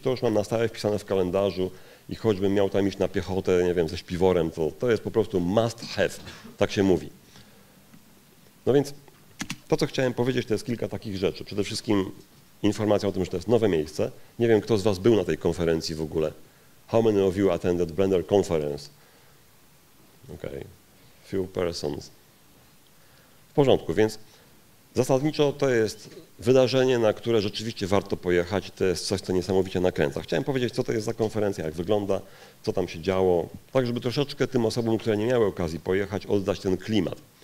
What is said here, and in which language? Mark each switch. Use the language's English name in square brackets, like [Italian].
[Polish] To już mam na stałe wpisane w kalendarzu i choćbym miał tam iść na piechotę, nie wiem, ze śpiworem, to jest po prostu must have, tak się mówi. No więc To, co chciałem powiedzieć, to jest kilka takich rzeczy. Przede wszystkim informacja o tym, że to jest nowe miejsce. Nie wiem, kto z was był na tej konferencji w ogóle. [English] How many of you attended Blender Conference? Okay. Few persons. [Polish] W porządku, więc zasadniczo to jest wydarzenie, na które rzeczywiście warto pojechać. To jest coś, co niesamowicie nakręca. Chciałem powiedzieć, co to jest za konferencja, jak wygląda, co tam się działo, tak żeby troszeczkę tym osobom, które nie miały okazji pojechać, oddać ten klimat.